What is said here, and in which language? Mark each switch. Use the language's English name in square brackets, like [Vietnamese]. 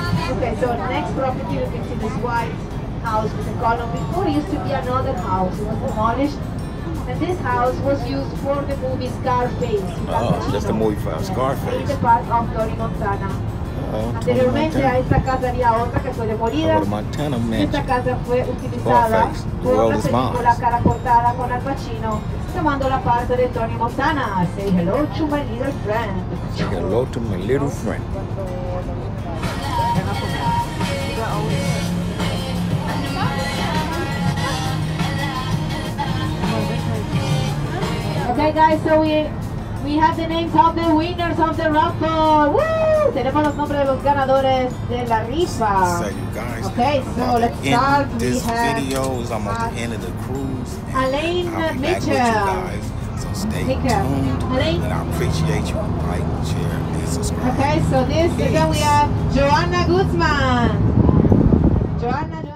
[English] okay, so next property you can see this white house with a column. Before it used to be another house, it was demolished. And this house was used for the movie Scarface. Oh, that's the movie for Scarface. In the park of Tony Montana. [Spanish] Anteriormente a esta casa había otra que fue demolida. [English] The Montana mansion. [Spanish] Esta casa fue utilizada por la película Cara Cortada con Al Pacino, tomando la parte de Tony Montana. [English] Say hello to my little friend. Say hello to my little friend. Okay guys, so we have the names of the winners of the raffle. Woo! [Spanish] Tenemos los nombres de los ganadores de la rifa. [English] So you guys, okay, so let's start. This we video is almost the end of the cruise. Alain Mitchell. Stay tuned, and I appreciate you like, share, and subscribe. Okay, so this is then we have Joanna Guzman. Joanna.